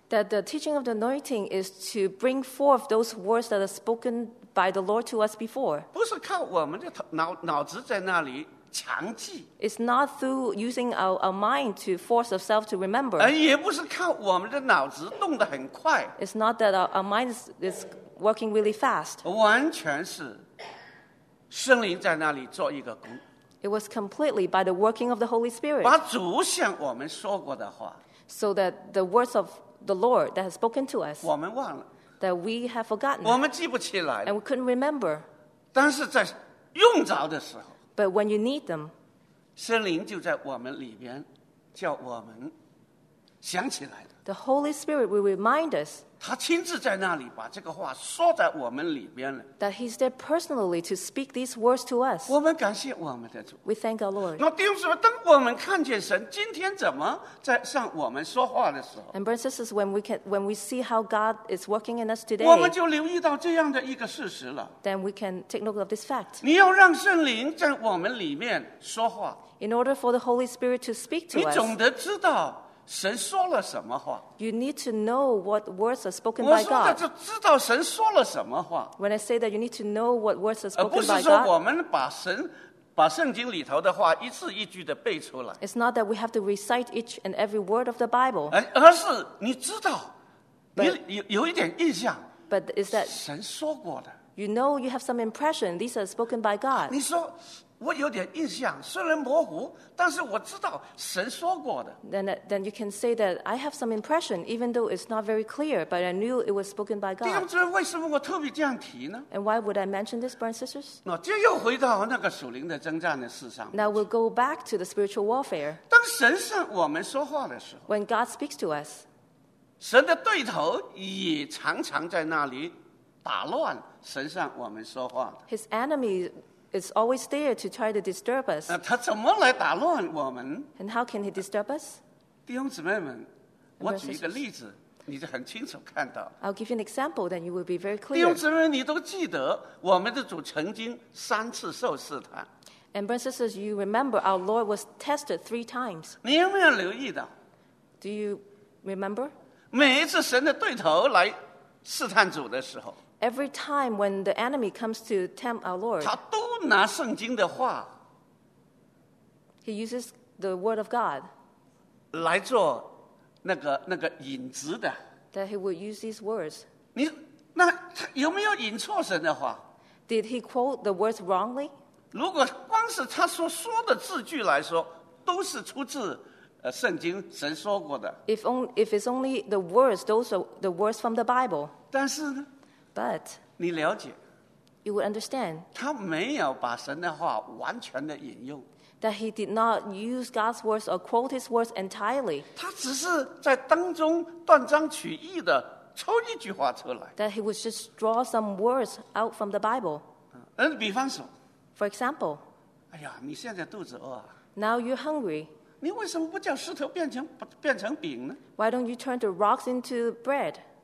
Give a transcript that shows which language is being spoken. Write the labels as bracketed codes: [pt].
[en] That the teaching of the anointing is to bring forth those words that are spoken by the Lord to us before. [zh] 不是靠我们的脑子在那里强记。 [en] It's not through using our mind to force ourselves to remember. [zh] 也不是靠我们的脑子动得很快。 [en] It's not that our mind is working really fast. [zh] 完全是。圣灵在那里做一个工。 [en] It was completely by the working of the Holy Spirit. [zh] 把主向我们说过的话。 [en] So that the words of the Lord that has spoken to us. [zh] 我们忘了。 [en] That we have forgotten. [zh] 我们记不起来。 [en] And we couldn't remember. [zh] 但是在用着的时候。 [en] But when you need them. [zh] 圣灵就在我们里边叫我们想起来的。 [en] The Holy Spirit will remind us. [zh] 他亲自在那里把这个话说在我们里边了。 [en] That he's there personally to speak these words to us. [zh] 我们感谢我们的主。 [en] We thank our Lord. [zh] 那弟兄姊妹，当我们看见神今天怎么在向我们说话的时候 [en] ，And brothers and sisters, when we see how God is working in us today, [zh] 我们就留意到这样的一个事实了。 [en] Then we can take note of this fact. [zh] 你要让圣灵在我们里面说话。 [en] In order for the Holy Spirit to speak to us, [zh] 你总得知道。神说了什么话? [en] You need to know what words are spoken by God. [zh] 我说的就知道神说了什么话。 [en] When I say that, you need to know what words are spoken by God. [zh] 而不是说我们把圣经里头的话一字一句的背出来。 [en] It's not that we have to recite each and every word of the Bible. [zh] 而是你知道，你有一点印象。 [en] But is that [zh] 神说过的。 [en] You know you have some impression. These are spoken by God. [zh] 你说我有点印象，虽然模糊，但是我知道神说过的。 [en] Then you can say that I have some impression, even though it's not very clear, but I knew it was spoken by God. [zh] 弟兄姊妹，为什么我特别这样提呢 [en] ？And why would I mention this, brothers and sisters? [zh] 那这又回到那个属灵的征战的事上。 [en] Now we'll go back to the spiritual warfare. [zh] 当神向我们说话的时候 [en] ，When God speaks to us, [zh] 神的对头也常常在那里打乱神向我们说话的。 [en] His enemy. It's always there to try to disturb us. [zh] 他怎么来打乱我们? [en] And how can he disturb us? [zh] 弟兄姊妹们，我举一个例子，你就很清楚看到。 [en] I'll give you an example, then you will be very clear. [zh] 弟兄姊妹，你都记得我们的主曾经三次受试探。 [en] And brothers and sisters, you remember our Lord was tested three times. [zh] 你有没有留意到? [en] Do you remember? [zh] 每一次神的对头来试探主的时候。 [en] Every time when the enemy comes to tempt our Lord, [zh] 他都拿圣经的话 [en] he uses the word of God [zh] 来做那个引子的 [en] that he would use these words. [zh] 你那有没有引错神的话 [en] Did he quote the words wrongly? [zh] 如果光是他说的字句来说，都是出自圣经神说过的 [en] If it's only the words, those are the words from the Bible. [zh] 但是呢 [en] But [zh] 你了解 [en] you would understand [zh] 他没有把神的话完全的引用 [en] that he did not use God's words or quote his words entirely [zh] 他只是在当中断章取义的抽一句话出来 [en] that he would just draw some words out from the Bible [zh] 比方说 [en] for example [zh] 哎呀你现在肚子饿啊 [en] now you're hungry [zh] 你为什么不叫石头变成饼呢 [en] why don't you turn the rocks into bread